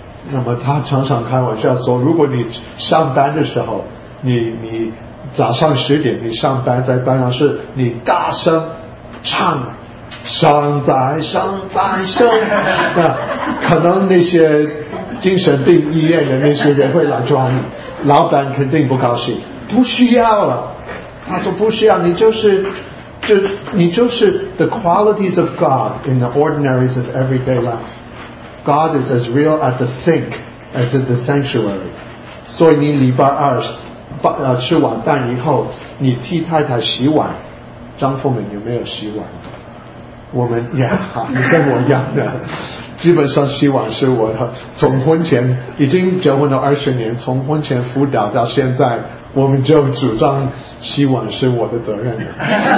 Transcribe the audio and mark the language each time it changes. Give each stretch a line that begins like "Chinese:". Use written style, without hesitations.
Chinese: 那么他常常开玩笑说，如果你上班的时候，你早上十点你上班，在班上是你大声唱上载上载上，那可能那些精神病医院的那些人会来抓你，老板肯定不高兴。不需要了，他说不需要，你就是
English: the qualities of God in the ordinaries of everyday lifeGod is as real at the sink as in the sanctuary.
Chinese: 所以你礼拜二吃晚饭以后，你替太太洗碗，张凤敏有没有洗碗？我们也好，你跟我一样的，基本上洗碗是我从婚前已经结婚了20年，从婚前辅导到现在，我们就主张洗碗是我的责任的。